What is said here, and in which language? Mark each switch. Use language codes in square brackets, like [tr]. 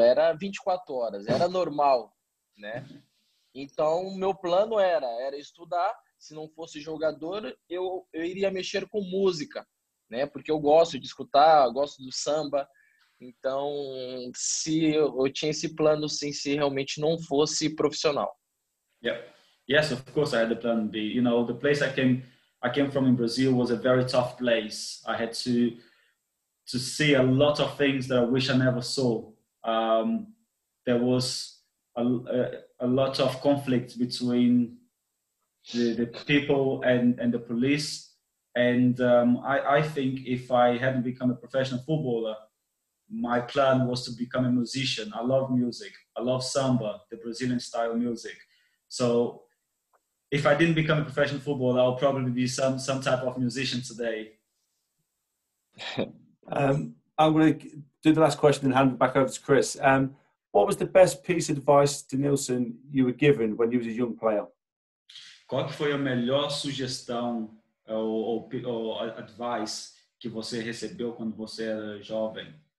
[pt] Era 24 horas. Era normal, né? Então, o meu plano era estudar. Se não fosse jogador, eu iria mexer com música, né? Porque eu gosto de escutar, gosto do samba. Então, se eu tinha esse plano, sim, se realmente não fosse profissional. [en] Yeah. Yes, of course I had the plan B. You know, the place I came from in Brazil was a very tough place. I had to see a lot of things that I wish I never saw. There was a lot of conflict between the people and the police, and I think if I hadn't become a professional footballer, my plan was to become a musician. I love music. I love samba, the Brazilian style music. So if I didn't become a professional footballer, I'll probably be some type of musician today. I'm going to do the last question and hand it back over to Chris. What was the best piece of advice, Denilson, you were given when you was a young player? [pt] Qual que foi a melhor sugestão ou advice que você recebeu quando você era jovem?